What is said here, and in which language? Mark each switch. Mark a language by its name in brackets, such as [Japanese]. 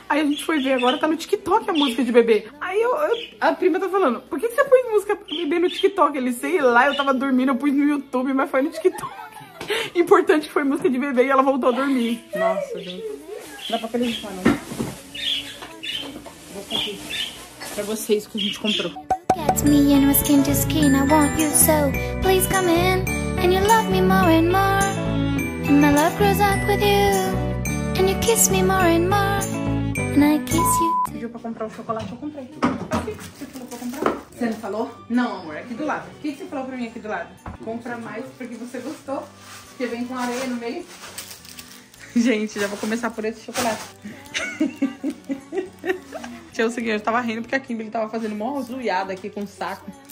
[Portuguese] Aí a gente foi ver, agora tá no TikTok a música de bebê. Aí a prima tá falando, por que você põe música pra bebê no TikTok? Ele, sei lá, eu tava dormindo, eu pus no YouTube, mas foi no TikTok. Importante que foi música de bebê e ela voltou a dormir. Nossa, gente. Dá pra pegar isso, mano. Vou ficar aqui. Pra vocês que a gente comprou. [English] It's me and my skin to skin, I want you so. Please come in, and you love me more and more. My love grows up with you, and you kiss me more and more, and I kiss you too. [Portuguese] Pediu pra comprar o chocolate, eu comprei. Aqui, você falou pra comprar? Você não falou? Não, amor, aqui do lado. O que você falou pra mim aqui do lado? Compra mais porque você gostou, porque vem com areia no meio. Gente, já vou começar por esse chocolate. Deixa eu seguir, eu tava rindo porque a Kimberly tava fazendo mó zoiada aqui com o saco.